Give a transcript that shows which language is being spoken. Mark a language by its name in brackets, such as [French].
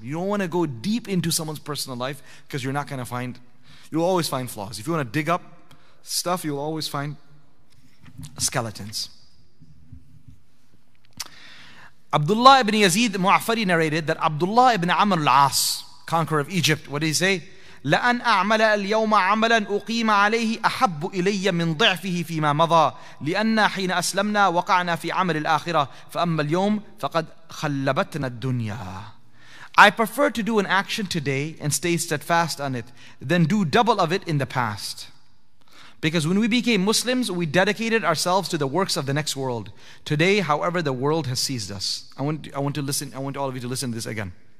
[English] You don't want to go deep into someone's personal life because you're not going to find, you'll always find flaws. If you want to dig up stuff, you'll always find skeletons. Abdullah ibn Yazid Mu'affari narrated that Abdullah ibn Amr al-As, conqueror of Egypt, what did he say? [Arabic] لأن أعمل اليوم عملا أقيم عليه أحب إلي من ضعفه فيما مضى لأن حين أسلمنا وقعنا في عمل الآخرة فأما اليوم فقد خلبتنا الدنيا. [English] I prefer to do an action today and stay steadfast on it than do double of it in the past. Because when we became Muslims, we dedicated ourselves to the works of the next world. Today, however, the world has seized us. I want all of you to listen to this again.